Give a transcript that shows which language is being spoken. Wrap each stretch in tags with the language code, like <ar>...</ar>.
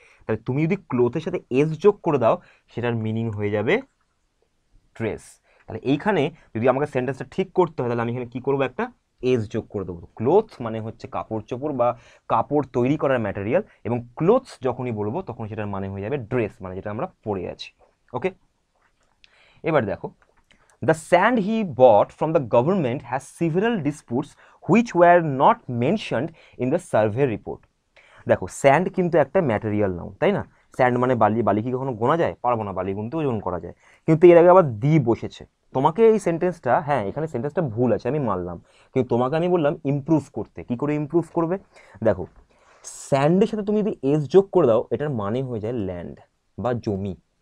<bn>তাহলে তুমি যদি ক্লোথের সাথে এস যোগ করে দাও সেটার মিনিং হয়ে যাবে ড্রেস। তাহলে এইখানে যদি আমাকে সেন্টেন্সটা ঠিক করতে হয় তাহলে আমি এখানে কী করবো, একটা এস যোগ করে দেবো। ক্লোথ মানে হচ্ছে কাপড় চোপড় বা কাপড় তৈরি করার ম্যাটেরিয়াল, এবং ক্লোথস যখনই বলবো তখন সেটার মানে হয়ে যাবে ড্রেস, মানে যেটা আমরা পরে আছি। ওকে, এবার দেখো</bn> <en>The sand he bought from the government has several disputes which were not mentioned in the survey report.</en> <bn>দেখো, স্যান্ড কিন্তু একটা ম্যাটেরিয়াল নাউন, তাই না? স্যান্ড মানে বালি। বালি কি কখনো গোনা যায়? পারবো না, বালি গুনতে ওজন করা যায়। কিন্তু এর আগে আবার দি বসেছে তোমাকে এই সেন্টেন্সটা। হ্যাঁ, এখানে সেন্টেন্সটা ভুল আছে আমি মানলাম, কিন্তু তোমাকে আমি বললাম ইমপ্রুভ করতে। কী করে ইমপ্রুভ করবে? দেখো, স্যান্ডের সাথে তুমি যদি এস যোগ করে দাও, এটার মানে হয়ে যায় ল্যান্ড বা জমি।</bn>